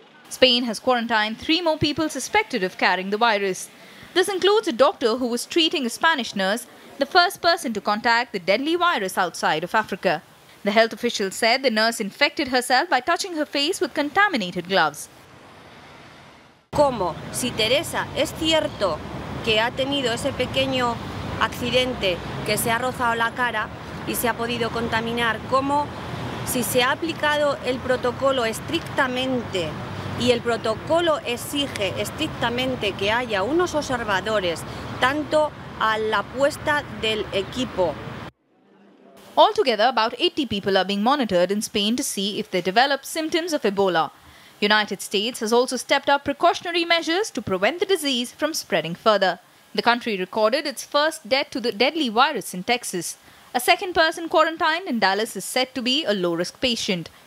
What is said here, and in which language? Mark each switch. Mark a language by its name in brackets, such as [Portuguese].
[English] Spain has quarantined three more people suspected of carrying the virus. This includes a doctor who was treating a Spanish nurse, the first person to contact the deadly virus outside of Africa. The health official said the nurse infected herself by touching her face with contaminated gloves. [Spanish] ¿Cómo? Si Teresa es cierto que ha tenido ese pequeño accidente que se ha rozado la cara y se ha podido contaminar, ¿cómo? Si se ha aplicado el protocolo estrictamente y el protocolo exige estrictamente que haya unos observadores tanto a la puesta del equipo. [English] Altogether, about 80 people are being monitored in Spain to see if they develop symptoms of Ebola. United States has also stepped up precautionary measures to prevent the disease from spreading further. The country recorded its first death to the deadly virus in Texas. A second person quarantined in Dallas is said to be a low-risk patient.